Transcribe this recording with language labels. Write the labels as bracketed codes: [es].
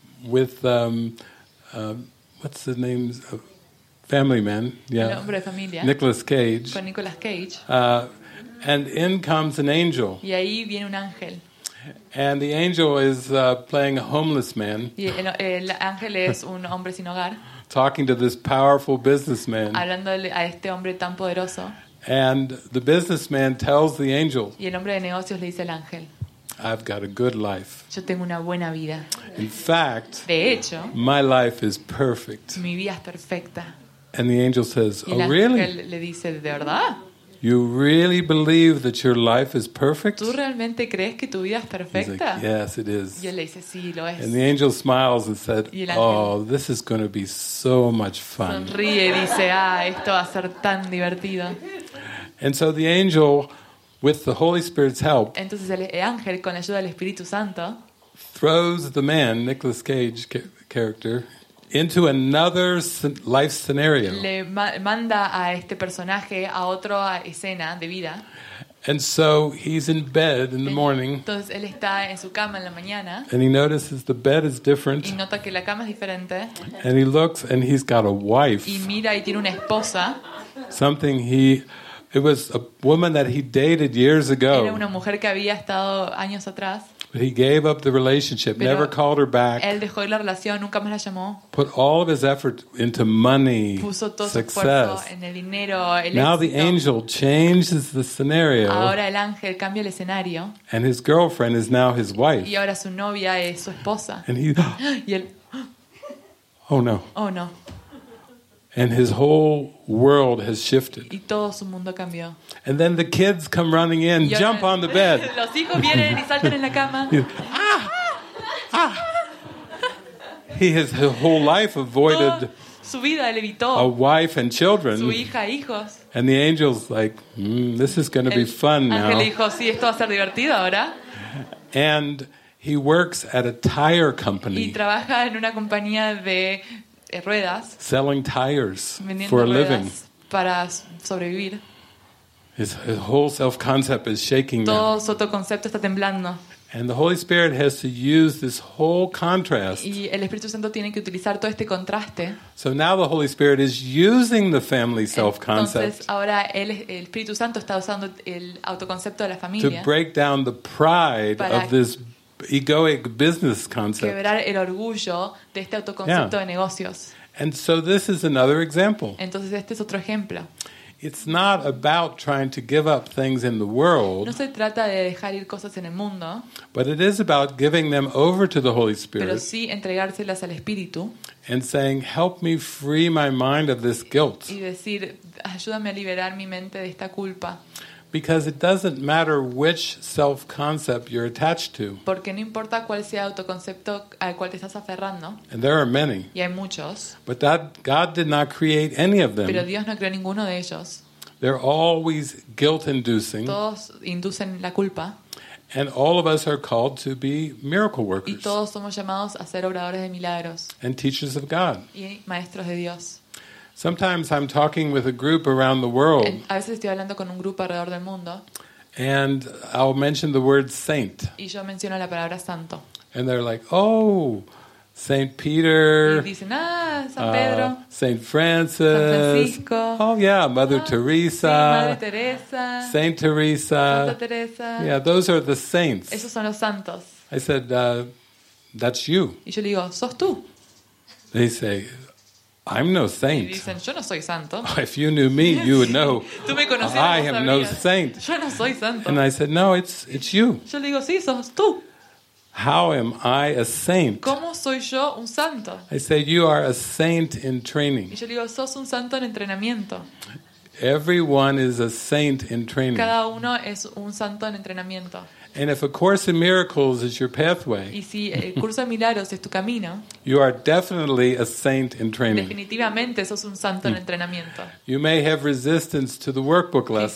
[en] What's the name? Family Man. Yeah. [es] El hombre de familia. [en] Nicolas Cage. [es] Con Nicolas Cage. [en] And in comes an angel. [es] Y ahí viene un ángel. [en] And the angel is playing a homeless man. [es] Y el ángel es un hombre sin hogar. [en] Talking to this powerful businessman. [es] Hablándole a este hombre tan poderoso. [en] And the businessman tells the angel. [es] Y el hombre de negocios le dice al ángel. [en] I've got a good life. [es] Yo tengo una buena vida. [en] In fact, [es] de hecho, [en] my life is perfect. [es] Mi vida es perfecta. [en] And the angel says, [es] y el ángel [en] "Oh, really?" [es] Le dice, ¿de verdad? [en] You really believe that your life is perfect? [es] ¿Tú realmente crees que tu vida es perfecta? [en] He's like, yes, it is. [es] Y él le dice, sí, lo es. [en] And the angel smiles and said, [es] y el ángel, [en] "Oh, this is going to be so much fun." [es] Sonríe y dice, ah, esto va a ser tan divertido. [en] And so the angel, with the Holy Spirit's help, [es] entonces el ángel con la ayuda del Espíritu Santo, [en] throws the man, Nicolas Cage character, into another life scenario. [es] Le manda a este personaje a otra escena de vida. [en] And so he's in bed in the morning. [es] Entonces él está en su cama en la mañana. [en] And he notices the bed is different. [es] Y nota que la cama es diferente. [en] And he looks and he's got a wife. [es] Y mira y tiene una esposa. [en] Something he It was a woman that he dated years ago. [es] Era una mujer que había estado años atrás. [en] But he gave up the relationship, [es] pero [en] never called her back. [es] Él dejó la relación, nunca más la llamó. [en] Put all of his effort into money, [es] puso todo [en] success. [es] Su esfuerzo en el dinero, el [en] now [es] éxito. [en] The angel changes the scenario. [es] Ahora el ángel cambia el escenario. [en] And his girlfriend is now his wife. [es] Y ahora su novia es su esposa. [en] And he, [es] y él, [en] oh no. [es] Oh no. [en] And his whole world has shifted. [es] Y todo su mundo cambió. [en] And then the kids come running in, [es] ahora, [en] jump on the bed. [es] Los hijos vienen y saltan en la cama. [en] He has his whole life avoided [es] su vida, él evitó [en] a wife and children. [es] Su hija, hijos. [en] And the angel's like, this is going to be fun now. [es] Ángel dijo, sí, esto va a ser divertido ahora. [en] And he works at a tire company. [es] Y trabaja en una compañía de ruedas, [en] selling tires [es] vendiendo [en] for a [es] ruedas [en] living. [es] Para sobrevivir. [en] His whole self-concept is shaking. [es] Todo su autoconcepto está temblando. [en] And the Holy Spirit has to use this whole contrast. [es] Y el Espíritu Santo tiene que utilizar todo este contraste. [en] So now the Holy Spirit is using the family self concept. [es] Entonces ahora el Espíritu Santo está usando el autoconcepto de la familia. [en] To break down the pride of this egoic business concept. [es] Quebrar el orgullo de este autoconcepto de negocios. [en] And so this is another example. [es] Entonces este es otro ejemplo. [en] It's not about trying to give up things in the world. [es] No se trata de dejar ir cosas en el mundo. [en] But it is about giving them over to the Holy Spirit. [es] Pero sí entregárselas al Espíritu. [en] And saying, "Help me free my mind of this guilt." [es] Y decir, ayúdame a liberar mi mente de esta culpa. [en] Because it doesn't matter which self-concept you're attached to. [es] Porque no importa cuál sea autoconcepto al cual te estás aferrando. [en] And there are many. [es] Y hay muchos. [en] But that God did not create any of them. [es] Pero Dios no creó ninguno de ellos. [en] They're always guilt-inducing. [es] Todos inducen la culpa. [en] And all of us are called to be miracle workers. [es] Y todos somos llamados a ser obradores de milagros. [en] And teachers of God. [es] Y maestros de Dios. [en] Sometimes I'm talking with a group around the world. [es] A veces estoy hablando con un grupo alrededor del mundo. [en] And I'll mention the word saint. [es] Y yo menciono la palabra santo. [en] And they're like, "Oh, Saint Peter." [es] Y dicen, "Ah, San Pedro." [en] Saint Francis. [es] San Francisco. [en] Oh yeah, Mother Teresa. [es] Sí, Madre Teresa. [en] Saint Teresa. [es] Santa Teresa. [en] Yeah, those are the saints. [es] Esos son los santos. [en] I said, "That's you." [es] Y yo le digo, "Sos tú." [en] They say, "I'm no saint." [es] Dicen, "Yo no soy santo." [en] If you knew me, you would know. [es] Tú me conocías, [en] I am no saint. [es] Yo no soy santo. [en] And I said, "No, it's you." [es] Yo le digo, "Sí, sos tú." [en] How am I a saint? [es] ¿Cómo soy yo un santo? [en] I said, "You are a saint in training." [es] Y yo le digo, "Sos un santo en entrenamiento." [en] Everyone is a saint in training. [es] Cada uno es un santo en entrenamiento. [en] And if a Course in Miracles is your pathway, [es] y si el curso de milagros es tu camino, [en] you are definitely a saint in training. [es] Definitivamente sos un santo en entrenamiento. [en] You may have resistance to the workbook lessons.